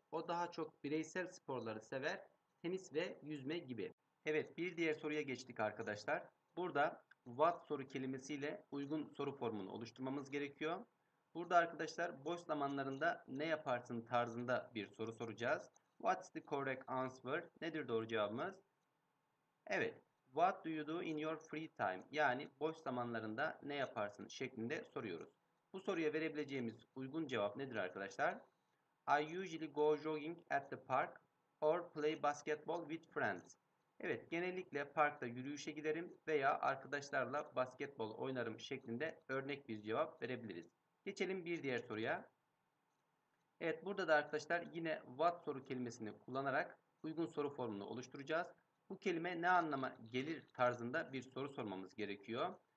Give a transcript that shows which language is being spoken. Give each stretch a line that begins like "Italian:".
Turkish: O daha çok bireysel sporları sever. Tenis ve yüzme gibi. Evet, bir diğer soruya geçtik arkadaşlar. Burada what soru kelimesiyle uygun soru formunu oluşturmamız gerekiyor. Burada arkadaşlar boş zamanlarında ne yaparsın tarzında bir soru soracağız.
English: What's the correct answer?
Turkish: Nedir doğru cevabımız? Evet,
English: what do you do in your free time?
Turkish: Yani boş zamanlarında ne yaparsın şeklinde soruyoruz. Bu soruya verebileceğimiz uygun cevap nedir arkadaşlar?
English: I usually go jogging at the park or play basketball with friends.
Turkish: Evet, genellikle parkta yürüyüşe giderim veya arkadaşlarla basketbol oynarım şeklinde örnek bir cevap verebiliriz. Geçelim bir diğer soruya. Evet, burada da arkadaşlar yine what soru kelimesini kullanarak uygun soru formunu oluşturacağız. Bu kelime ne anlama gelir tarzında bir soru sormamız gerekiyor.